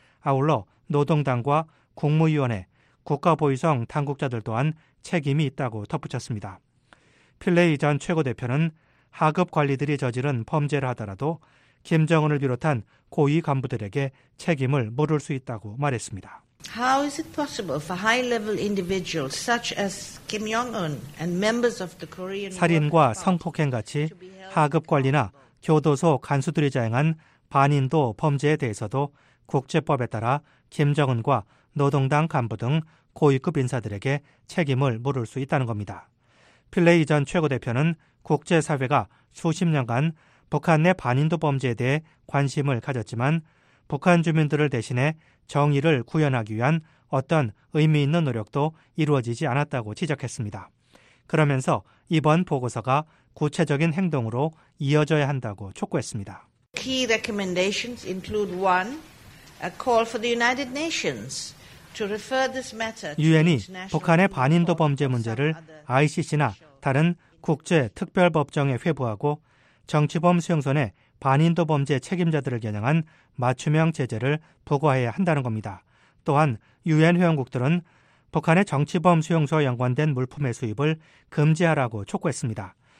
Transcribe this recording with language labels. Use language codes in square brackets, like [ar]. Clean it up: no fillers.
[ko] 아울러 노동당과 국무위원회, 국가보위성 당국자들 또한 책임이 있다고 덧붙였습니다. 필레이 전 최고대표는 하급 관리들이 저지른 범죄를 하더라도 김정은을 비롯한 고위 간부들에게 책임을 물을 수 있다고 말했습니다. [en] How is it possible for high-level individuals such as Kim Jong-un and members of the Korean [ko] 살인과 성폭행같이 하급 관리나 교도소 간수들이 자행한 반인도 범죄에 대해서도 국제법에 따라 김정은과 노동당 간부 등 고위급 인사들에게 책임을 물을 수 있다는 겁니다. 필레이 전 최고대표는 국제사회가 수십 년간 북한 내 반인도 범죄에 대해 관심을 가졌지만 북한 주민들을 대신해 정의를 구현하기 위한 어떤 의미 있는 노력도 이루어지지 않았다고 지적했습니다. 그러면서 이번 보고서가 구체적인 행동으로 이어져야 한다고 촉구했습니다. [en] Key recommendations include one, a call for the United Nations to refer this matter. [ko] 유엔이 북한의 반인도 범죄 문제를 ICC나 다른 국제특별법정에 회부하고 정치범 수용소 내 반인도 범죄 책임자들을 겨냥한 맞춤형 제재를 부과해야 한다는 겁니다. 또한 유엔 회원국들은 북한의 정치범 수용소와 연관된 물품의 수입을 금지하라고 촉구했습니다.